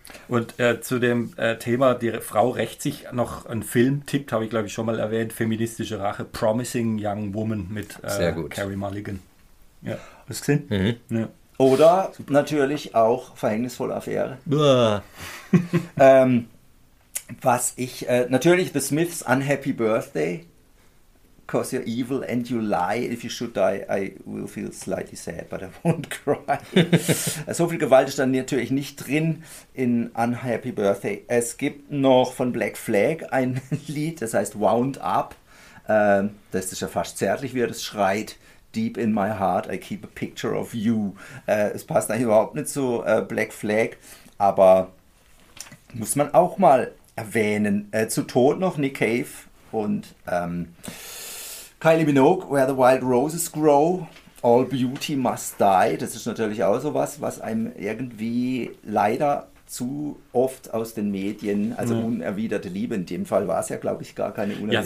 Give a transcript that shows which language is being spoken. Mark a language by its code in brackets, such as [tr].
[de] Und zu dem Thema, die Frau rächt sich, noch einen Film tippt, habe ich glaube ich schon mal erwähnt, feministische Rache, Promising Young Woman mit Carrie Mulligan. Ja, hast du gesehen? Mhm. Ja. Oder super. Natürlich auch Verhängnisvolle Affäre. was ich, natürlich [en] The Smiths Unhappy Birthday, cause you're evil and you lie, if you should die, I will feel slightly sad, but I won't cry. [de] So viel Gewalt ist dann natürlich nicht drin in Unhappy Birthday. Es gibt noch von Black Flag ein Lied, das heißt Wound Up. Das ist ja fast zärtlich, wie er das schreit. [en] Deep in my heart, I keep a picture of you. [de] Es passt eigentlich überhaupt nicht zu Black Flag, aber muss man auch mal erwähnen. Zu Tod noch Nick Cave und Kylie Minogue, Where the Wild Roses Grow, All Beauty Must Die. Das ist natürlich auch sowas, was einem irgendwie leider zu oft aus den Medien, also unerwiderte Liebe, in dem Fall war es ja, glaube ich, gar keine unerwiderte.